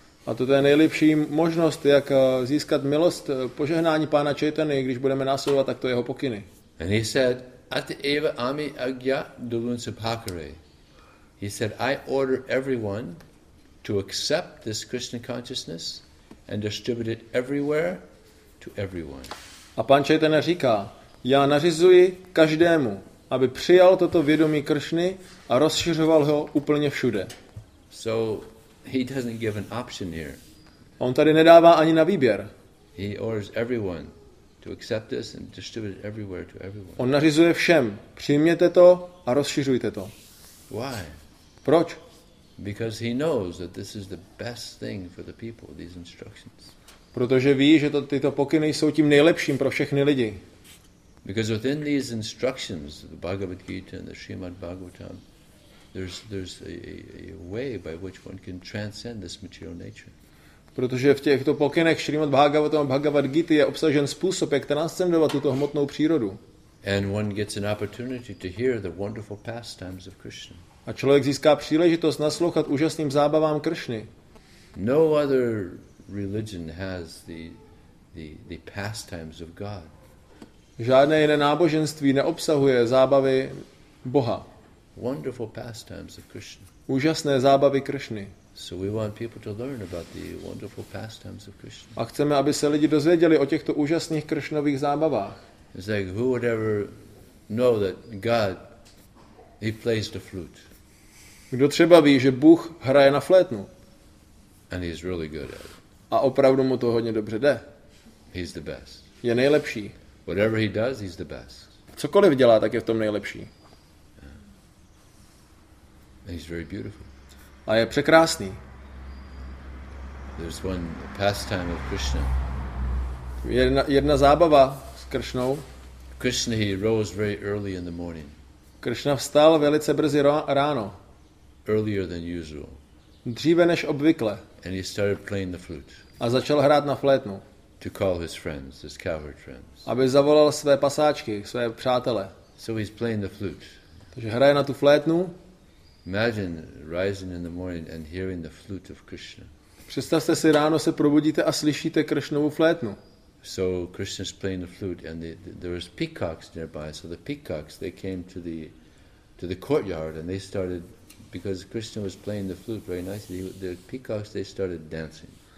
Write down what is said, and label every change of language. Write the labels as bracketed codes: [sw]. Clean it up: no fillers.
[cs] A to je nejlepší možnost, jak získat milost, požehnání pána Chaitany, když budeme následovat takto jeho pokyny. [en] And he said, "Ati eva ami agya dulunsa bhakare." He said, "I order everyone to accept this Krishna consciousness and distribute it everywhere to everyone." [cs] A pán Chaitanya říká, já nařizuji každému, aby přijal toto vědomí Kršny a rozšiřoval ho úplně všude. [en] So he doesn't give an option here. [cs] On tady nedává ani na výběr. [en] He orders everyone to accept this and distribute it everywhere to everyone. [cs] On nařizuje všem, přijměte to a rozšiřujte to. [en] Why? [cs] Proč? [en] Because he knows that this is the best thing for the people, these instructions. [cs] Protože ví, že tyto pokyny jsou tím nejlepším pro všechny lidi. [en] Because within these instructions, the Bhagavad Gita and the Srimad Bhagavatam, there's a way by which one can transcend this material nature. [cs] Protože v těchto pokynech Srimad Bhagavatam a Bhagavad Gita je obsažen způsob, jak transcendovat tuto hmotnou přírodu. [en] And one gets an opportunity to hear the wonderful pastimes of Krishna. [cs] A člověk získá příležitost naslouchat úžasným zábavám Kršny. [en] No other religion has the pastimes of God. [cs] Žádné jiné náboženství neobsahuje zábavy Boha. [en] Wonderful pastimes of Krishna. [cs] Úžasné zábavy Kršny. [en] So we want people to learn about the wonderful pastimes of Krishna. [cs] A chceme, aby se lidi dozvěděli o těchto úžasných Kršnových zábavách. [en] It's like who would ever know that God, he plays the flute. [cs] Kdo třeba ví, že Bůh hraje na flétnu? [en] And he's really good at it. [cs] A opravdu mu to hodně dobře jde. [en] He's the best. [cs] Je nejlepší. [en] Whatever he does, he's the best. [cs] Cokoliv dělá, tak je v tom nejlepší. [en] Yeah. And he's very beautiful. [cs] A je překrásný. [en] There's one pastime of Krishna. [cs] Jedna zábava s Kršnou. [en] Krishna, he rose very early in the morning. [cs] Kršna vstal velice brzy ráno. [en] Earlier than usual. [cs] Dříve než obvykle. [en] And he started playing the flute. [cs] A začal hrát na flétnu. [en] To call his friends, his cowherd friends. [cs] Aby zavolal své pasáčky, své přátele. [en] So he's playing the flute. [cs] Takže hraje na tu flétnu. [en] Imagine rising in the morning and hearing the flute of Krishna. [cs] Představte si, ráno se probudíte a slyšíte Kršnovu flétnu. [en] So Krishna's playing the flute and there was peacocks nearby, so the peacocks they came to the courtyard and they started, because Krishna was playing the flute very nicely, the peacocks they started dancing.